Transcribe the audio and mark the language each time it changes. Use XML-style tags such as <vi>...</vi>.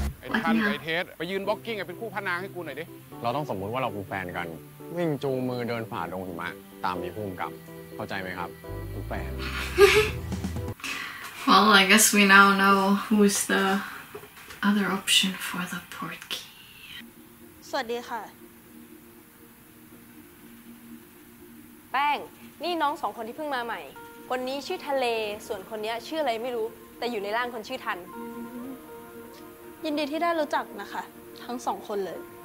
<th>ไอ้ท่านไอ้เทสไปยืนบ็อกกิ้งเป็นคู่พระนางให้กูหน่อยดิ เราต้องสมมติว่าเรากูแฟนกันวิ่งจูมือเดินผ่านตรงหิมะตามมีพุ่มกับเข้าใจไหมครับทุกแฟน</th> <en>Well I guess we now know who's the other option for the porky</en> <th>สวัสดีค่ะแป้งนี่น้องสองคนที่เพิ่งมาใหม่คนนี้ชื่อทะเลส่วนคนนี้ชื่ออะไรไม่รู้แต่อยู่ในร่างคนชื่อทัน ยินดีที่ได้รู้จักนะคะทั้งสองคนเลย</th>